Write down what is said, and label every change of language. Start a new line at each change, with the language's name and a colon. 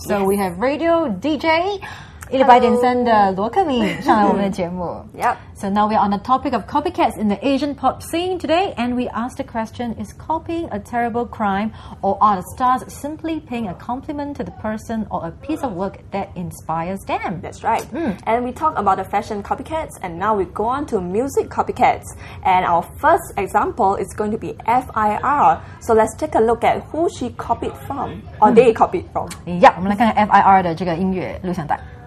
English: So yes. We have radio DJ
Chinese: 一百点三的罗克明上来我们的节目.
English: Yep. So now we're on the topic of copycats in the Asian pop scene today, and we asked the question, is copying a terrible crime, or are the stars simply paying a compliment to the person or a piece of work that inspires them? That's right. Mm. And we talked about the fashion copycats, and now we go on to music copycats. And our first example is going to be FIR. So let's take a look at who she copied from, or they copied from. Yeah,
Chinese: 我们来看看 FIR的这个音乐录像带。